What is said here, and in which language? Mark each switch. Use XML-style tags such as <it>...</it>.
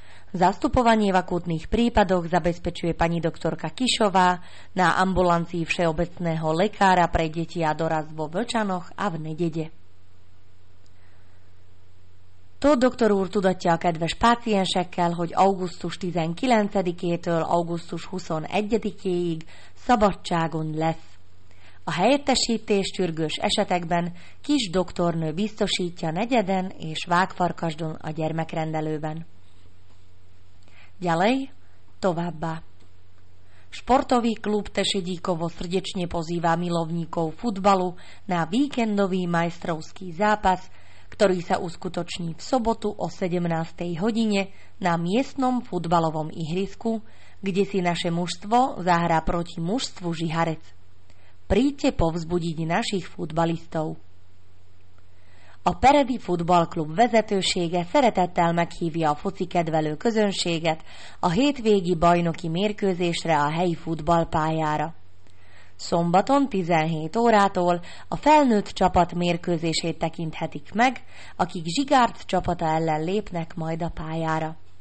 <sk>Zastupovanie v akútnych prípadoch zabezpečuje pani doktorka Kišová na ambulancii všeobecného lekára pre deti a dorast vo Vlčanoch a v Nedede.</sk> <hu>To doktor úr tudatja a kedves páciensekkel, hogy augusztus 19-től augusztus 21-ig szabadságon lesz. A helyettesítés sürgős esetekben kis doktornő biztosítja Negyeden és Vágfarkasdon a gyermekrendelőben.</hu> <sk>Ďalej,</sk> <hu>továbbá.</hu> <sk>Športový klub Tešedíkovo srdečne pozýva milovníkov futbalu na víkendový majstrovský zápas, ktorý sa uskutoční v sobotu o 17. hodine na miestnom futbalovom ihrisku, kde si naše mužstvo zahrá proti mužstvu Žiharec. Príďte povzbudiť našich futbalistov.</sk> <hu>A Peredi futballklub vezetősége szeretettel meghívja a foci kedvelő közönséget a hétvégi bajnoki mérkőzésre a helyi futballpályára. Szombaton 17 órától a felnőtt csapat mérkőzését tekinthetik meg, akik Zsigárc csapata ellen lépnek majd a pályára.</hu>